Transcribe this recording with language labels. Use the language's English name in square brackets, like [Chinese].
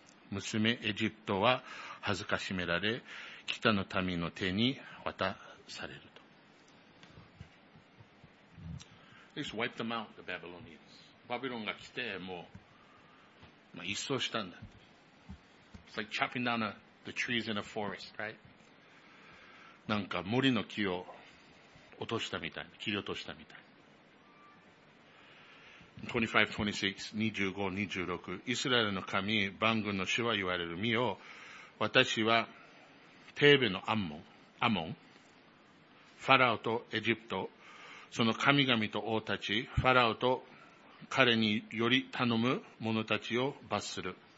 [Japanese] 娘エジプトは恥ずかしめられ、北の民の手に渡されると。 [English] They just wiped them out, the Babylonians. [Japanese] バビロンが来て、もう、まあ、一掃したんだ。 [English] It's like chopping down the trees in a forest, right? [Japanese] なんか森の木を落としたみたい、切り落としたみたい。 25:26、イスラエルの神、万軍の主は言われる。見よ、私はテーベのアモン、ファラオとエジプト、その神々と王たち、ファラオと彼により頼む者たちを罰する。